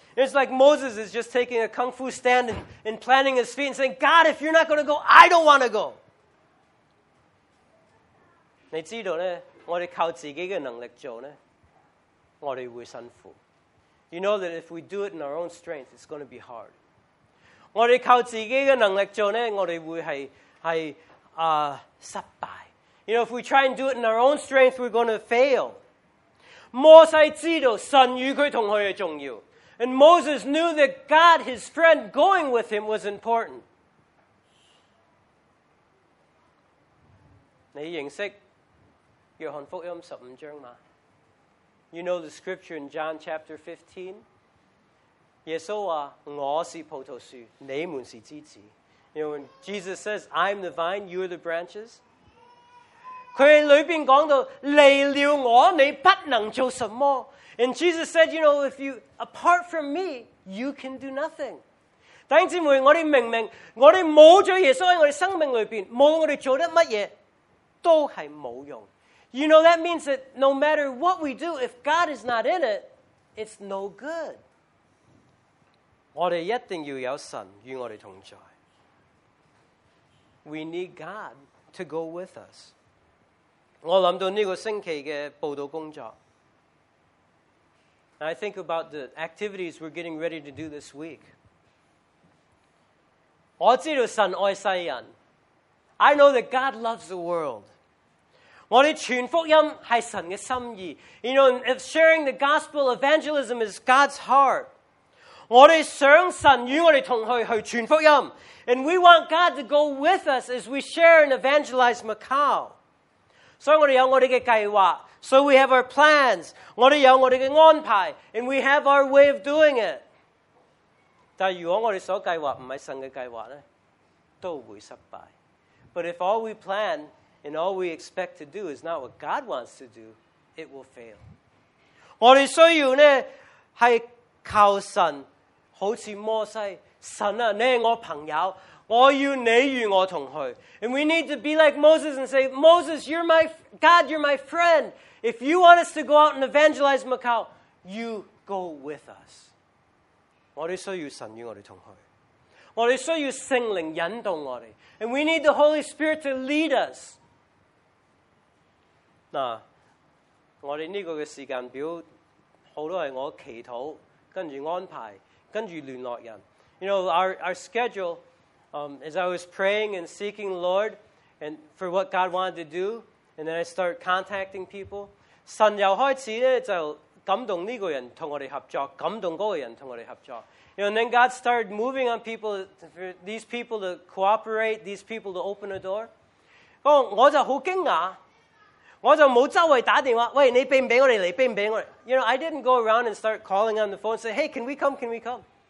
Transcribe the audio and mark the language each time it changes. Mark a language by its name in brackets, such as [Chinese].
[English] It's like Moses is just taking a kung fu stand and planting his feet and saying, God, if you're not going to go, I don't want to go. [Chinese] 你知道呢，我们靠自己的能力做呢，我们会辛苦。 [English] You know that if we do it in our own strength, it's going to be hard. [Chinese] 我们靠自己的能力做呢，我们会是失败。 [English] You know, if we try and do it in our own strength, we're going to fail. [Chinese] 摩西知道神与他同去的重要。 [English] And Moses knew that God, his friend, going with him was important. [Chinese] 你认识约翰福音十五章吗？ [English] You know the scripture in John chapter 15? [Chinese] 耶稣说，我是葡萄树，你们是枝子。 [English] You know, when Jesus says, I'm the vine, you are the branches. [Chinese] 他里面讲到，离了我，你不能做什么。 [English] And Jesus said, you know, if you, apart from me, you can do nothing. [Chinese] 弟兄姊妹，我们明明，我们没有耶稣在我们生命里面，无论我们做得什么，都是没用。 [English] You know, that means that no matter what we do, if God is not in it, it's no good. [Chinese] 我们一定要有神与我们同在。 [English] We need God to go with us. [Chinese] 我想到这个星期的报道工作。 [English] And I think about the activities we're getting ready to do this week. [Chinese] 我知道神爱世人。 [English] I know that God loves the world. [Chinese] 我们传福音是神的心意。 [English] You know, if sharing the gospel, evangelism is God's heart. [Chinese] 我们想神与我们同去去传福音。 [English] And we want God to go with us as we share and evangelize Macau. [Chinese] 所以我们有我们的计划。 [English] So we have our plans, [Chinese] 我们有我们的安排, [English] and we have our way of doing it. [Chinese] 但如果我们所计划不是神的计划呢, 都会失败。 [English] But if all we plan and all we expect to do is not what God wants to do, it will fail. [Chinese] 我们需要呢, 是靠神, 好像摩西, 神啊, 你是我朋友, 我要你与我同去。 [English] And we need to be like Moses and say, Moses, you're my God, you're my friend. If you want us to go out and evangelize Macau, you go with us. [Chinese] 我们需要神与我们同去。我们需要圣灵引导我们。 [English] And we need the Holy Spirit to lead us. [Chinese] 那我们这个时间表好多是我祈祷跟着安排跟着联络人。 [English] You know, our schedule, as I was praying and seeking the Lord and for what God wanted to do,And then I start contacting people. [Chinese] 神又开始呢就感动这个人跟我们合作，感动那个人跟我们合作。 [English] You know, and then God started moving on people, for these people to cooperate, these people to open a door. [Chinese] 我就好惊讶，我就没周围打电话，喂，你俾唔俾我哋嚟？俾唔俾我哋？ [English] You know, I didn't go around and start calling on the phone and say, hey, can we come?